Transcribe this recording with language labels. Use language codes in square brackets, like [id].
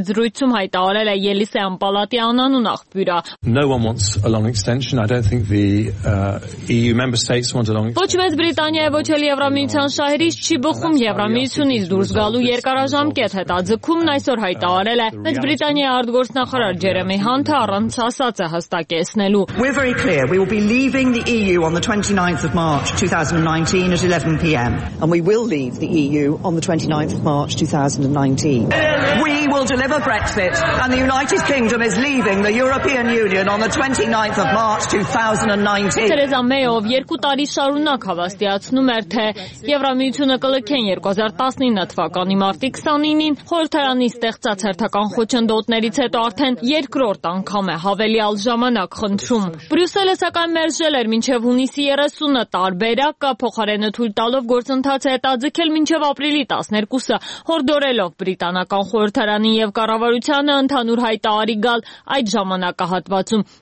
[hy] զրույցում հայտարել է Ելիսեան Պալատի անանուն աղբյուրը։ Ոչ Մեծ Բրիտանիայի, ոչ էլ Եվրամիության շահերից չի բխում Եվրամիությունից դուրս գալու երկարաժամկետ հետաձգումն, այսօր հայտարել է Մեծ Բրիտանիայի արտգործնախարար Ջերեմի Հանթը, առանց ասացը հստակեցնելու։ [en] We're very clear, we will be leaving the EU on the 29th of March 2019 at 11 PM, and we will leave the EU on the 29th of March 2019. We will deliver Brexit, and the United Kingdom is leaving the European Union on the 29th of March 2019. [hy] Թերեզա Մեյը 2 տարի շարունակ հավաստիացնում էր, թե Եվրամիությունը կլքեն 2019 թվականի մարտի 29-ին։ Խորհրդարանի ստեղծած հերթական խոչընդոտներից հետո արդեն երկրորդ անգամ է հավելյալ ժամանակ խնդրում։ Բրյուսելը սակայն մերժել էր մինչև հունիսի 30-ը տարբերակ կա փոխարենը թույլ տալով գործընթացը հետաձգել մինչև ապրիլի 12-ը, հորդորելով բրիտանական խորհրդարանի և կառավարությանը ընդհանուր հայտարարի գալ այդ ժամանակահատվածում։